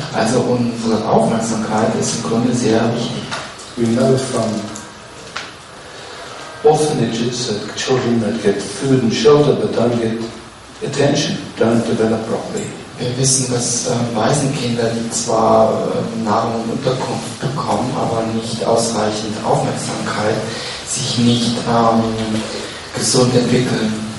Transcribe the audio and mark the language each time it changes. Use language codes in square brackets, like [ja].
[de] Also unsere Aufmerksamkeit ist im Grunde sehr wichtig. [en] We know from orphanages that children that get food and shelter but don't get attention don't develop properly. [de] Wir wissen, dass Waisenkinder zwar Nahrung und Unterkunft bekommen, aber nicht ausreichend Aufmerksamkeit, sich nicht gesund entwickeln.